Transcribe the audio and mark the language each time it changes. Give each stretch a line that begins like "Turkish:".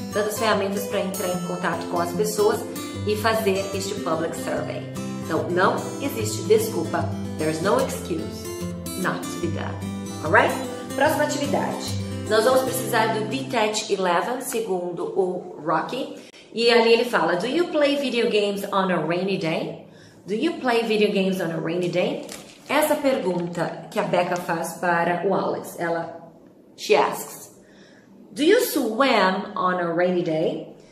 Portuguese: Tantas ferramentas para entrar em contato com as pessoas e fazer este public survey. Então, não existe desculpa.
English: There's no excuse not to be done. Alright?
Portuguese: Próxima atividade. Nós vamos precisar do Detach 11, segundo o Rocky. E ali ele fala,
English: do you play video games on a rainy day? Do you play video games on a rainy day?
Portuguese: Essa pergunta que a Becca faz para o Alex.
English: She asks, do you swim on a rainy day?